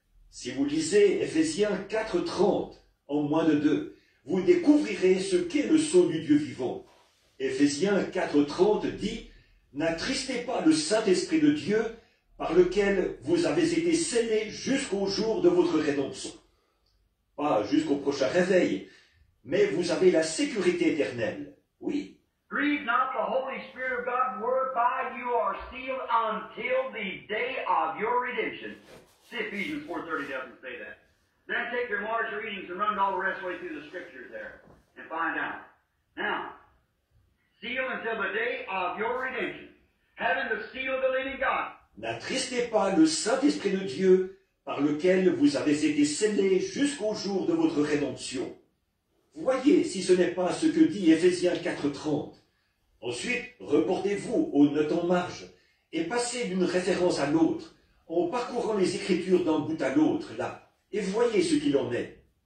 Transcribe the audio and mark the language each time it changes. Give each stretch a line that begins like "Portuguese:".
French: Si vous lisez Ephésiens 4:30 en moins de deux, vous découvrirez ce qu'est le sceau du Dieu vivant. Ephésiens 4:30 dit, n'attristez pas le Saint-Esprit de Dieu par lequel vous avez été scellés jusqu'au jour de votre rédemption. Pas jusqu'au prochain réveil, mais vous avez la sécurité éternelle. Oui.
English: Grieve not the Holy Spirit of God whereby you are sealed until the day of your redemption. See, Ephesians 4:30 doesn't say that. Then take your large readings and run all the rest of the way through the scriptures there and find out. Now, seal until the day of your redemption. Having the seal of the living God.
French: N'attristez pas le Saint-Esprit de Dieu par lequel vous avez été scellés jusqu'au jour de votre rédemption. Voyez si ce n'est pas ce que dit Éphésiens 4:30. Ensuite, reportez-vous aux notes en marge et passez d'une référence à l'autre en parcourant les Écritures d'un bout à l'autre, là, et voyez ce qu'il en est.